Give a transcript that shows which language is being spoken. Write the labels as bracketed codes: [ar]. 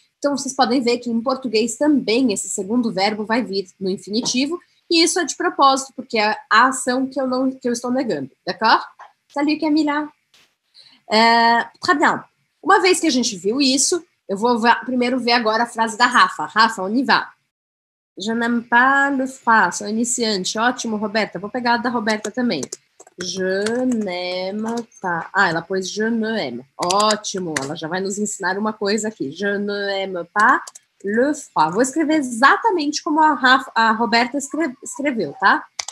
[pt] Então vocês podem ver que em português também esse segundo verbo vai vir no infinitivo. E isso é de propósito, porque é a ação que eu estou negando. [fr] D'accord? Salut, Camila. Très bien. [pt] Uma vez que a gente viu isso, eu vou primeiro ver agora a frase da Rafa. [fr] Rafa, on y va. Je n'aime pas le froid, [pt] sou iniciante. Ótimo, Roberta. Vou pegar a da Roberta também. Je n'aime pas. Ah, ela pôs je n'aime. Ótimo, ela já vai nos ensinar uma coisa aqui. [fr] Je n'aime pas le froid. [pt] Vou escrever exatamente como a Roberta escreveu, tá?